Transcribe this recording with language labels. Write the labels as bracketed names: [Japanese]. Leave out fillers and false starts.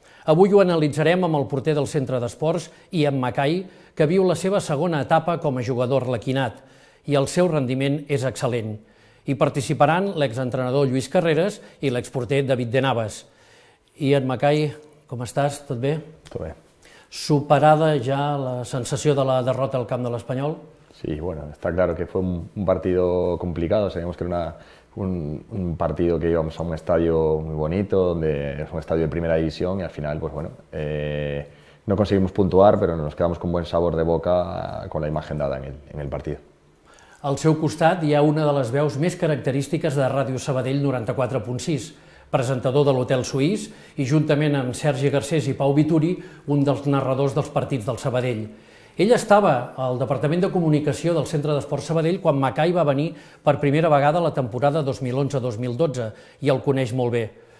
[Catalan] Avui ho analitzarem amb el porter del Centre d'Esports, Ian Mackay, que viu la seva segona etapa com a jugador arlequinat i el seu rendiment és excel·lent. Hi participaran l'exentrenador Lluís Carreras i l'exporter David de Navas. Ian Mackay, com estàs? Tot bé? Tot bé. Superada ja la sensació de la derrota al camp de l'Espanyol? [Spanish] Sí, bueno, está claro que fue un partido complicado. Sabíamos que era un partido que íbamos a un estadio muy bonito, donde es un estadio de primera división y al final, pues bueno, no conseguimos puntuar, pero nos quedamos con buen sabor de boca con la imagen dada en el partido. [Catalan] Al seu costat hi ha una de les veus més característiques de Ràdio Sabadell 94.6, presentador de l'Hotel Suís i juntament amb Sergi Garcés i Pau Vituri, un dels narradors dels partits del Sabadell. Ell estava al Departament de Comunicació del Centre d'Esport Sabadell quan Mackay va venir per primera vegada la temporada 2011-2012 i el coneix molt bé.